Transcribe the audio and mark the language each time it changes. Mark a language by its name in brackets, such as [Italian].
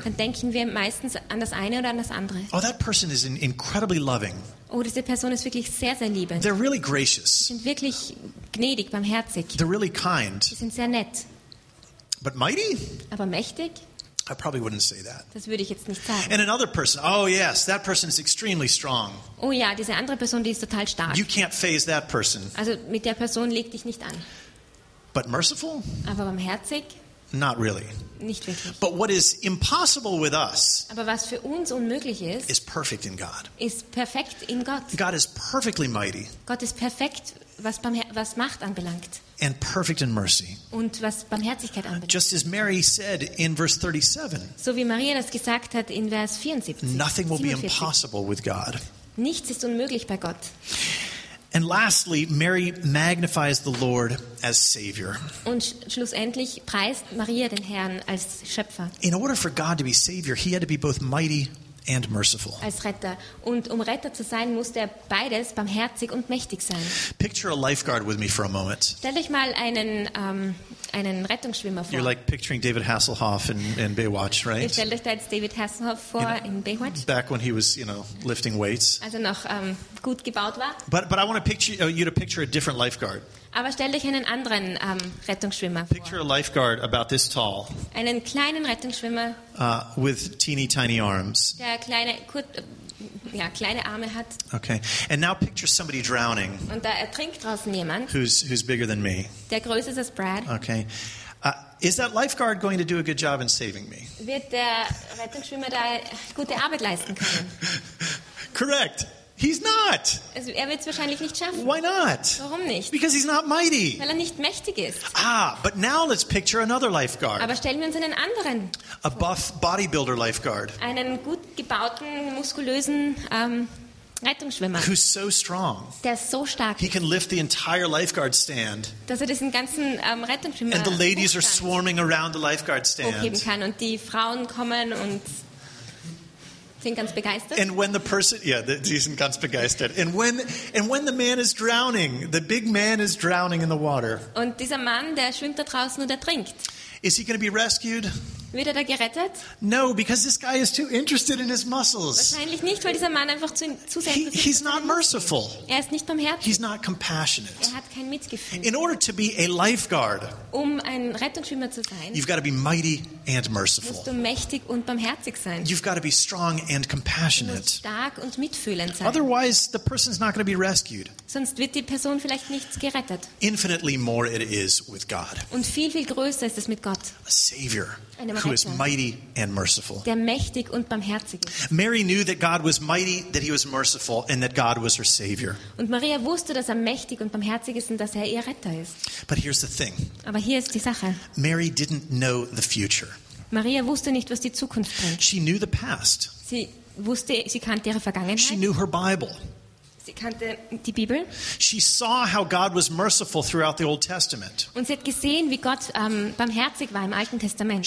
[German] Dann denken wir meistens an das eine oder an das andere. [English] Oh, that person is incredibly loving. [German] Oh, diese Person ist wirklich sehr, sehr liebend. [English] They're really gracious. [German] Sie sind wirklich gnädig, barmherzig. [English] They're really kind. [German] Sie sind sehr nett. [English] But mighty? [German] Aber mächtig? [English] I probably wouldn't say that. [German] Das würde ich jetzt nicht sagen. [English] And another person, oh yes, that person is extremely strong. [German] Oh ja, diese andere Person, die ist total stark. [English] You can't phase that person. [German] Also mit der Person leg dich nicht an. [English] But merciful? [German] Aber barmherzig? [English] Not really. [German] Nicht wirklich. [English] But what is impossible with us? [German] Aber was für uns unmöglich ist? [English] Is perfect in God. [German] Ist perfekt in Gott. [English] God is perfectly mighty. [German] Gott ist perfekt, was Macht anbelangt. [English] And perfect in mercy. [German] Und was Barmherzigkeit anbelangt. [English] Just as Mary said in verse 37. [German] So wie Maria das gesagt hat in Vers 74. [English] Nothing will [German] 47. [English] Be impossible with God. [German] Nichts ist unmöglich bei Gott. [English] And lastly, Mary magnifies the Lord as Savior. [German] Und schlussendlich preist Maria den Herrn als Schöpfer. [English] In order for God to be Savior, he had to be both mighty and merciful. [German] Als Retter. Und um Retter zu sein, musste er beides barmherzig und mächtig sein. [English] Picture a lifeguard with me for a moment. [German] Stell euch mal einen Rettungsschwimmer vor. [English] You're like picturing David Hasselhoff in Baywatch, right? [German] Stell euch da jetzt David Hasselhoff vor, [English] you know, [German] in Baywatch. [English] Back when he was, you know, lifting weights. [German] Also noch gut gebaut war. [English] But I want to picture you to picture a different lifeguard. [German] Aber stell dich einen anderen Rettungsschwimmer vor. [English] Picture a lifeguard about this tall. [German] Einen kleinen Rettungsschwimmer. [English] With teeny tiny arms. [German] Der kleine, ja, kleine Arme hat. [English] Okay. And now picture somebody drowning. [German] Und da ertrinkt draußen jemand. [English] Who's bigger than me? [German] Der größer ist als Brad. [English] Okay. Is that lifeguard going to do a good job in saving me? [German] Wird der Rettungsschwimmer da gute Arbeit leisten können? [English] Correct. He's not. [German] Wird es wahrscheinlich nicht schaffen. [English] Why not? [German] Warum nicht? [English] Because he's not mighty. [German] Weil nicht mächtig ist. [English] Ah, but now let's picture another lifeguard. [German] Aber stellen wir uns einen anderen. [English] A buff bodybuilder lifeguard. [German] Einen gut gebauten, muskulösen Rettungsschwimmer. [English] Who's so strong. [German] Der ist so stark. [English] He can lift the entire lifeguard stand. [German] Dass diesen ganzen Rettungsschwimmer. [English] And the ladies are swarming around the lifeguard stand. [German] Hochheben kann und die Frauen kommen und sind ganz begeistert. [English] And when the person, [German] sie sind ganz begeistert. [English] And when the man is drowning, the big man is drowning in the water. [German] Und dieser Mann, der schwimmt da draußen und ertrinkt. [English] Is he going to be rescued? [German] Wird er da gerettet? [English] No, because this guy is too interested in his muscles. [German] Wahrscheinlich nicht, weil dieser Mann einfach zu sehr. [English] He's not merciful. [German] Er ist nicht barmherzig. [English] He's not compassionate. [German] Er hat kein Mitgefühl. [English] In order to be a lifeguard, [German] ein Rettungsschwimmer zu sein, [English] you've got to be mighty and merciful. [German] Musst du mächtig und barmherzig sein. [English] You've got to be strong and compassionate. [German] Du musst stark und mitfühlend sein. [English] Otherwise, the person's not going to be rescued. [German] Sonst wird die Person vielleicht nicht gerettet. [English] Infinitely more it is with God. [German] Und viel, viel größer ist es mit Gott. [English] A savior. Who is mighty and merciful. [German] Der mächtig und barmherzig ist. [English] Mary knew that God was mighty, that he was merciful, and that God was her savior. [German] Und Maria wusste, dass mächtig und barmherzig ist und dass ihr Retter ist. [English] But here's the thing. [German] Aber hier ist die Sache. [English] Mary didn't know the future. [German] Maria wusste nicht, was die Zukunft bringt. [English] She knew the past. [German] Sie kannte ihre Vergangenheit. [English] She knew her Bible. [German] Sie kannte die Bibel. [English] She saw how God was merciful throughout the Old Testament. [German] Und sie hat gesehen, wie Gott barmherzig war im Alten Testament.